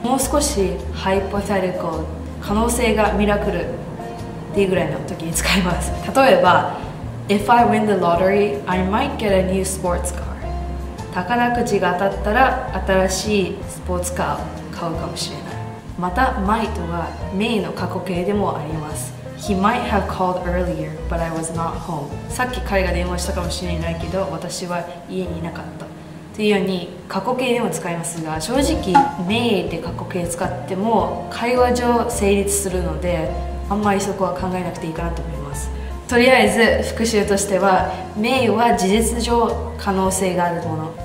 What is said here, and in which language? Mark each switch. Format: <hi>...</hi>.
<ja>もう少しハイポサリコ、可能性がミラクルっていうぐらいのときに使います。例えば</ja> <en>If I win the lottery, I might get a new sports car、</en> <ja>宝くじが当たったら新しいスポーツカーを買うかもしれない。また、might は may の過去形でもあります。</ja> <en>He might have called earlier, but I was not home.</en> <ja>さっき彼が電話したかもしれないけど、私は家にいなかった。というように、過去形でも使いますが、正直、may で過去形使っても、会話上成立するので、あんまりそこは考えなくていいかなと思います。とりあえず、復習としては、may は事実上可能性があるもの。</ja>